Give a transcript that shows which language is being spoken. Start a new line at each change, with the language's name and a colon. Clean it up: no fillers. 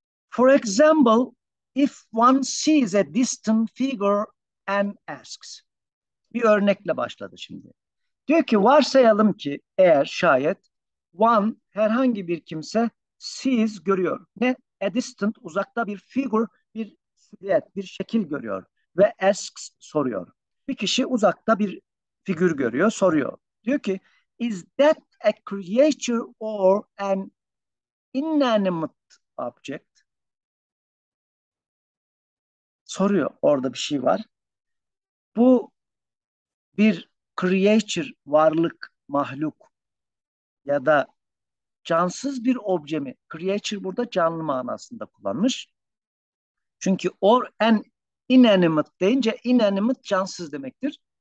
English: For example, if one sees a distant figure and asks.
Turkish: Bir örnekle başladı şimdi. Diyor ki varsayalım ki eğer şayet
English: one
Turkish: herhangi bir kimse
English: sees
Turkish: görüyor. Ne?
English: A distant
Turkish: uzakta bir figure, bir silüet, bir şekil görüyor ve
English: asks
Turkish: soruyor. Bir kişi uzakta bir figür görüyor, soruyor. Diyor ki
English: is that a creature or an inanimate object?
Turkish: Soruyor orada bir şey var. Bu bir creature, varlık, mahluk ya da cansız bir obje mi? Creature burada canlı manasında kullanmış. Çünkü
English: or an inanimate
Turkish: deyince inanimate cansız demektir.